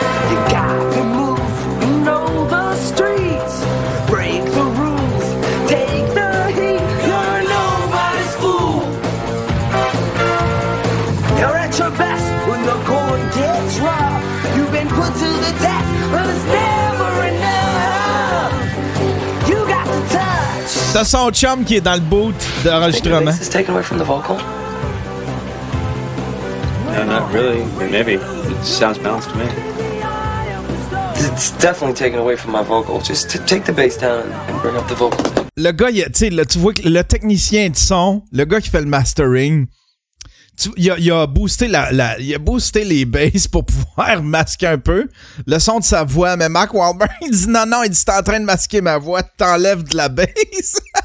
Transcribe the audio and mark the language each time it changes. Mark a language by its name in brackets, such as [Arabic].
[English] You gotta move, know the streets, break the rules, take the heat, you're nobody's fool. You're at your best when the coin gets rough. You've been put to the test, but it's never enough. You got the touch. [French] T'as son chum qui est dans le boot d'enregistrement. [English] Is taken away from the vocal? No, not really. Maybe. It sounds balanced to me. It's definitely taken away from my vocal. Just to take the bass down and bring up the vocal. [French] Le gars, tu vois que le technicien de son, le gars qui fait le mastering, il a boosté les basses pour pouvoir masquer un peu le son de sa voix. Mais Mark Wahlberg, il dit non, il dit t'es en train de masquer ma voix, t'enlèves de la basse.